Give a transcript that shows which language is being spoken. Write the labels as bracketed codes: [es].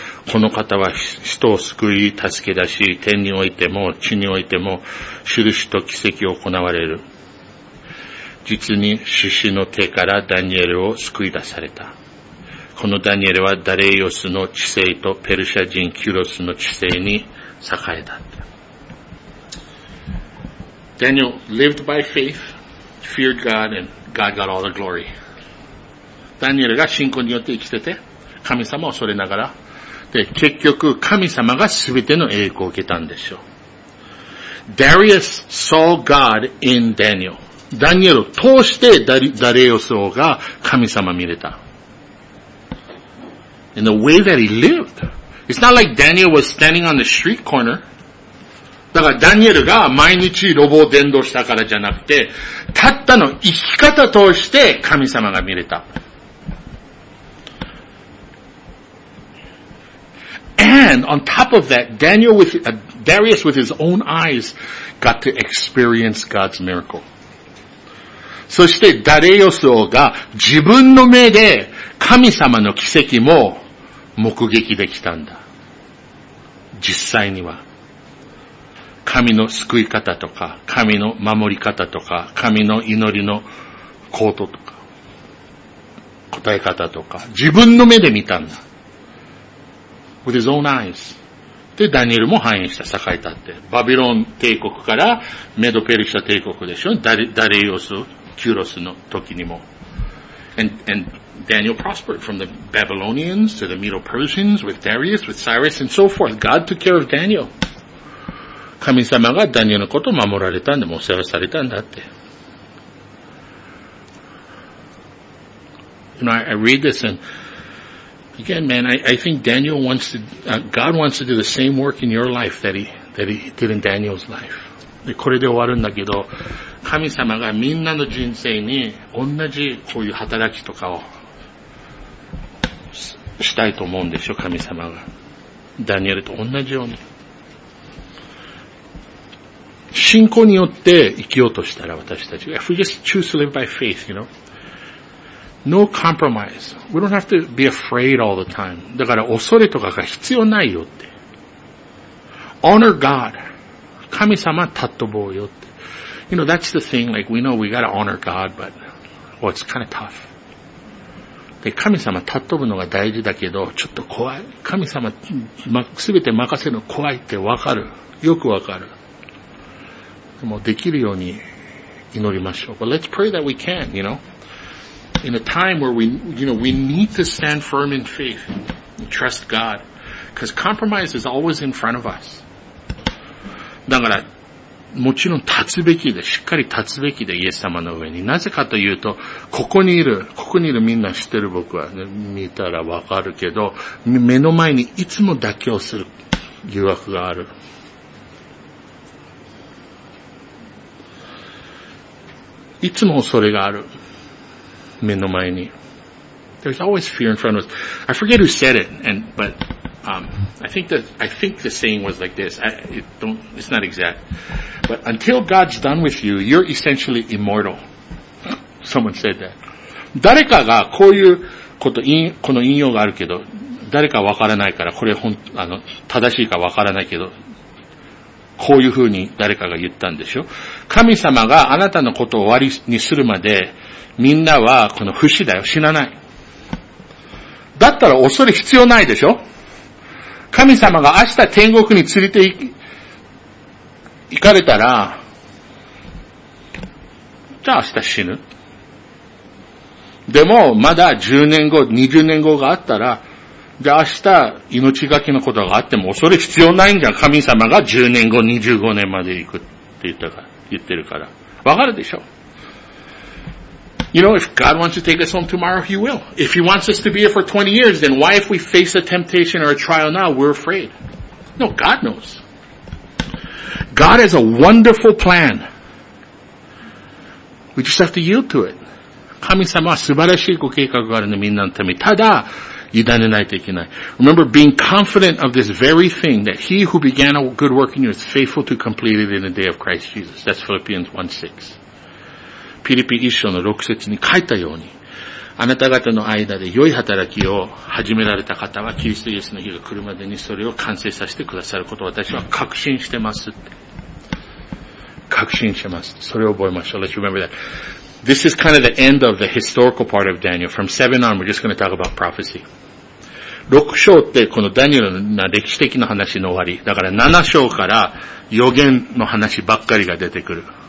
[ja] この方は人を救い、助け出し、天においても地においても、印と奇跡を行われる。実に、獅子の手からダニエルを救い出された。このダニエルはダレイオスの治世とペルシャ人キュロスの治世に栄えた。 [en] ダニエル lived by faith, feared God, and God got all the glory. [ja] ダニエルが信仰によって生きてて、神様を恐れながら、で、結局、神様がすべての栄光を受けたんでしょう。 [en] Darius saw God in Daniel. [ja] ダニエルを通してダレイオス王が神様を見れた。 [en] In the way that he lived. It's not like Daniel was standing on the street corner. [ja] だから、ダニエルが毎日ロボを伝道したからじゃなくて、たったの生き方を通して神様が見れた。 [en] And on top of that, Darius with his own eyes got to experience God's miracle. [ja] そしてダレイオス王が自分の目で神様の奇跡も目撃できたんだ。実際には。神の救い方とか、神の守り方とか、神の祈りの行動とか、答え方とか、自分の目で見たんだ。 [en] With his own eyes. [ja] で、ダニエルも繁栄した、栄えたって。バビロン帝国からメドペルシャ帝国でしょ。ダレイオス、キュロスの時にも。 [en] And Daniel prospered from the Babylonians to the Medo-Persians with Darius, with Cyrus, and so forth. God took care of Daniel. [ja] 神様がダニエルのことを守られたんで、もう世話されたんだって。 [en] You know, I read this and, again, man, I think Daniel wants to, God wants to do the same work in your life that he did in Daniel's life. [ja] で、これで終わるんだけど、神様がみんなの人生に同じこういう働きとかをしたいと思うんでしょ、神様が。ダニエルと同じように。信仰によって生きようとしたら私たち。 [en] If we just choose to live by faith, you know. No compromise. We don't have to be afraid all the time. [ja] だから恐れとかが必要ないよって。 [en] Honor God. [ja] 神様たっとぼうよって。 [en] You know, that's the thing, like, we know we gotta honor God, but, well, it's kinda tough. [ja] で、神様たっとぶのが大事だけど、ちょっと怖い。神様、すべて任せるの怖いってわかる。よくわかる。もうできるように祈りましょう。 [en] But let's pray that we can, you know. In a time where we need to stand firm in faith and trust God. Because compromise is always in front of us. [ja] だから、もちろん立つべきで、しっかり立つべきで、イエス様の上に。なぜかというと、ここにいるみんな知ってる僕は、ね、見たらわかるけど、目の前にいつも妥協する誘惑がある。いつも恐れがある。目の前に。 [en] There's always fear in front of us. I forget who said it, I think the saying was like this. It's not exact. But until God's done with you, you're essentially immortal. Someone said that. [ja] 誰かがこういうこと、この引用があるけど、誰かわからないから、これ正しいかわからないけど、こういう風に誰かが言ったんでしょ。神様があなたのことを終わりにするまで、みんなはこの不死だよ、死なない。だったら恐れ必要ないでしょ。神様が明日天国に連れて行かれたら、じゃあ明日死ぬ。でもまだ10年後、20年後があったら、じゃあ明日命がけのことがあっても恐れ必要ないんじゃん。神様が10年後、25年まで行くって言ってるから。わかるでしょ。 [en] You know, if God wants to take us home tomorrow, He will. If He wants us to be here for 20 years, then why if we face a temptation or a trial now, we're afraid? No, God knows. God has a wonderful plan. We just have to yield to it. [ja] 神様は素晴らしいご計画があるんで、みんなのために。ただ、委ねないといけない。 [en] Remember, being confident of this very thing, that He who began a good work in you is faithful to complete it in the day of Christ Jesus. That's Philippians 1:6. [ja] フィリピ一章の六節に書いたように、あなた方の間で良い働きを始められた方はキリストイエスの日が来るまでにそれを完成させてくださることを私は確信してますって。確信してます。それを覚えましょう。 [en] Let's remember that. This is kind of the end of the historical part of Daniel. From 7 on, we're just going to talk about prophecy. [ja] 六章ってこのダニエルの歴史的な話の終わりだから、7章から予言の話ばっかりが出てくる。